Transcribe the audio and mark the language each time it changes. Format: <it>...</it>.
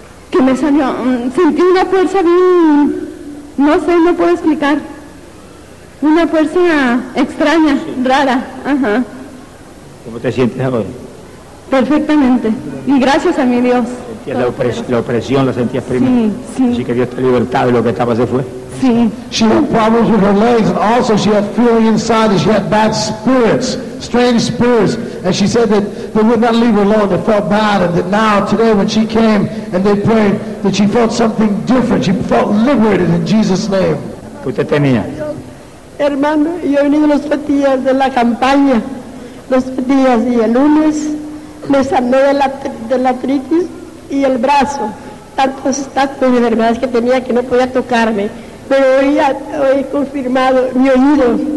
<es>Que me salió, sentí una fuerza bien, no sé, no puedo explicar. Una fuerza extraña, sí. Rara. Ajá. ¿Cómo te sientes ahora? Perfectamente. Y gracias a mi Dios. Sentías la opresión, la sentías primero. Sí, sí. Así que Dios te libertó y lo que estaba se fue. Sí.</es> <en>She had problems with her legs, and also she had feeling inside, and she had bad spirits, strange spirits, and she said that they would not leave her alone. They felt bad, and that now, today, when she came and they prayed, that she felt something different. She felt liberated in Jesus' name.</en> <es>¿Qué te tenía? Hermano, yo he venido los 3 días de la campaña, los 3 días, y el lunes me sanó de la artritis y el brazo. Tantas estatuas de enfermedades que tenía que no podía tocarme, pero hoy he confirmado mi oído.</es>